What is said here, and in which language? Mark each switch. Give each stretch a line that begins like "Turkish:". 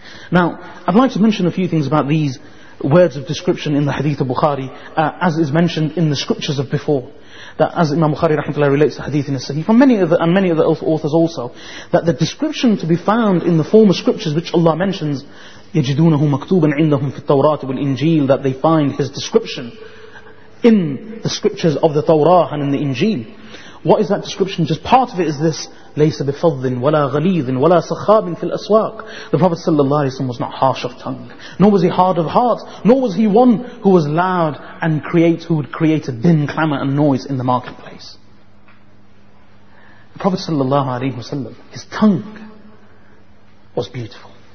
English: Now, I'd like to mention a few things about these words of description in the hadith of Bukhari, as is mentioned in the scriptures of before, that as Imam Bukhari rahmatullah relates the hadith in his sahih, from many other authors also, that the description to be found in the former scriptures which Allah mentions,
Arabic: يَجِدُونَهُ مَكْتُوبًا عِنْدَهُمْ فِي التَّوْرَاةِ وَالْإِنْجِيلِ,
English: that they find his description in the scriptures of the Tawrah and in the Injil. What is that description? Just part of it is this,
Arabic: لَيْسَ بِفَضٍّ وَلَا غَلِيظٍ وَلَا سَخَّابٍ فِي الْأَسْوَاقِ.
English: The Prophet sallallahu alayhi wa sallam was not harsh of tongue, nor was he hard of heart, nor was he one who was loud and who would create a din, clamor and noise in the marketplace. The Prophet sallallahu alayhi wa sallam, his tongue was beautiful.